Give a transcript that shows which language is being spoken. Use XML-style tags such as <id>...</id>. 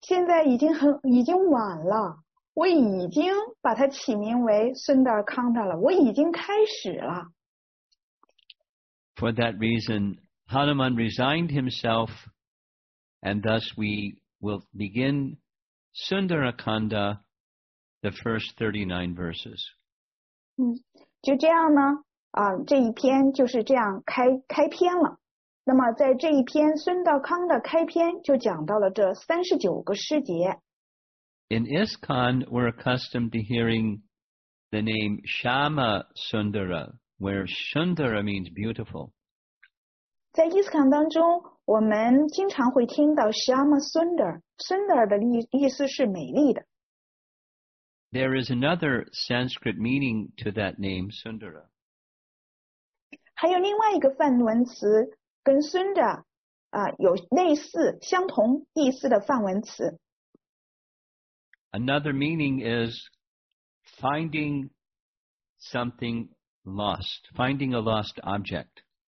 <zh>现在已经晚了，我已经把它起名为孙德尔康塔了，我已经开始了。</zh> <en>For that reason, Hanuman resigned himself, and thus we will begin Sundara Kanda, the first 39 verses.</en> <zh>就这样呢，这一篇就是这样开篇了。那么，在这一篇《孙道康》的开篇，就讲到了这39个诗节。</zh> <en>In ISKCON, we're accustomed to hearing the name Shama Sundara, where Sundara means beautiful.</en> <zh>在 ISKCON 当中，我们经常会听到 Shama Sundar，Sundar 的意思是美丽的。</zh> <en>There is another Sanskrit meaning to that name, Sundara.</en> <zh>还有另外一个梵文词。跟孙的有类似、相同意思的梵文词。</zh> <en>Another meaning is finding something lost, finding a lost object.</en>